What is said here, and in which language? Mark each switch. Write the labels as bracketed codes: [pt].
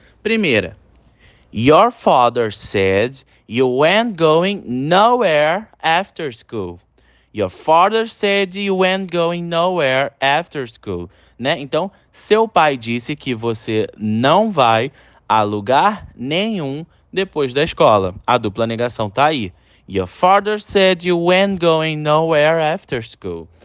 [en] Primeira: Your father said you ain't going nowhere after school. Your father said you ain't going nowhere after school. [pt] Né? Então, seu pai disse que você não vai a lugar nenhum depois da escola. A dupla negação tá aí. [en] Your father said you ain't going nowhere after school.